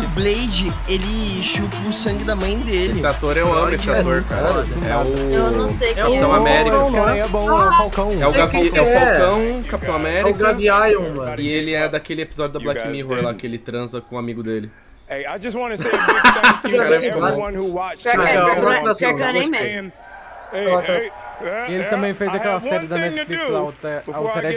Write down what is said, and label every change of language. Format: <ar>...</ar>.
<pt>O Blade, ele chupa o sangue da mãe dele. Esse ator eu amo, esse ator, cara. É o... Eu não sei quem é. Capitão América. Esse cara aí é bom, é o Falcão. É o, é o Falcão, Capitão América. É o Gavião, mano. E ele é daquele episódio da Black Mirror lá, que ele transa com um amigo dele.</pt> <en>Hey, I just want to say a big thank you to everyone who watched. Check on him,</en> <pt>e ele também fez aquela série da Netflix lá, Altered</pt>